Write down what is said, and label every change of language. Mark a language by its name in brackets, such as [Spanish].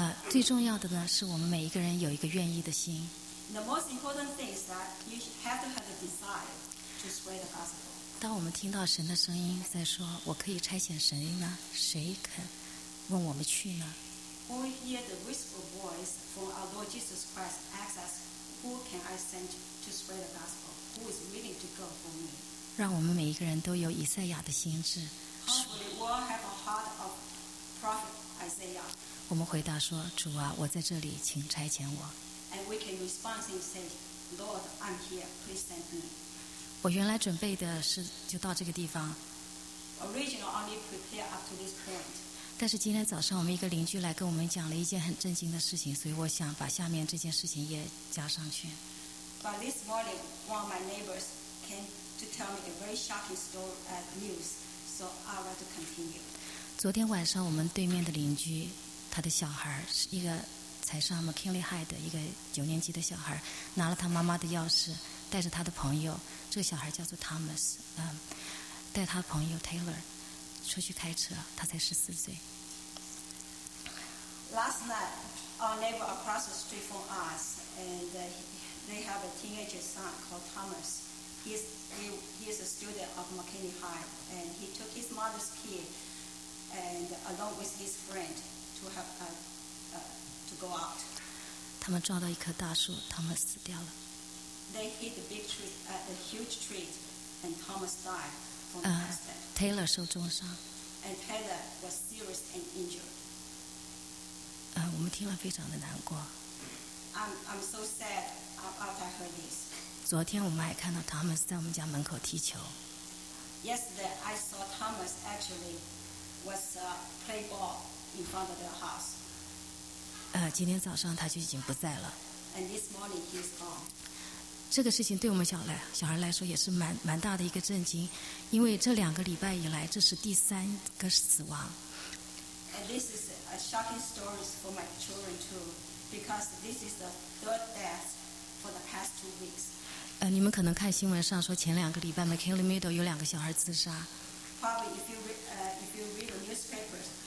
[Chinese] 最重要的呢，是我们每一个人有一个愿意的心。 [English] The most important thing is that you have to have a desire to spread the gospel. [Chinese] 当我们听到神的声音在说“我可以差遣谁呢？谁肯问我们去呢？” [English] When we hear the whisper voice from our Lord Jesus Christ, asks us, "Who can I send to spread the gospel? Who is willing to go for me?" [Chinese] 让我们每一个人都有以赛亚的心智。 [English] Hopefully, we all have a heart of prophet Isaiah. [Chinese] 我们回答说：“主啊，我在这里，请差遣我。” [English] And we can respond and say, "Lord, I'm here. Please send me." [Chinese] 我原来准备的是就到这个地方。 [English] Originally, only prepared up to this point. [Chinese] 但是今天早上，我们一个邻居来跟我们讲了一件很震惊的事情，所以我想把下面这件事情也加上去。 [English] But this morning, one of my neighbors came to tell me a very shocking news, so I want to continue. [Chinese] 昨天晚上，我们对面的邻居。他的小孩是一个才上 McKinley High 的一个九年级的小孩，拿了他妈妈的钥匙，带着他的朋友，这个小孩叫做 Thomas， 带他朋友 Taylor 出去开车，他才十四岁。 [English] Last night, our neighbor across the street from us, and they have a teenage son called Thomas. He is a student of McKinley High, and he took his mother's key, and along with his friend. To go out. [Chinese] 他们撞到一棵大树，汤姆死掉了。 [English] They hit a big tree, a huge tree, and Thomas died from the accident. [Chinese] Taylor 受重伤。 [English] And Taylor was seriously and injured. [Chinese] 我们听了非常的难过。 [English] I'm so sad after I heard this. [Chinese] 昨天我们还看到汤姆在我们家门口踢球。 [English] Yesterday I saw Thomas actually was play ball. In front of their house. [Chinese] 今天早上他就已经不在了。 [English] And this morning he's gone. [Chinese] 这个事情对我们小孩来说也是蛮大的一个震惊，因为这两个礼拜以来，这是第三个死亡。 [English] And this is a shocking story for my children too, because this is the third death for the past 2 weeks. [Chinese] 你们可能看新闻上说前两个礼拜 McKinley Middle 有两个小孩自杀。 [English] Probably if you read the newspapers.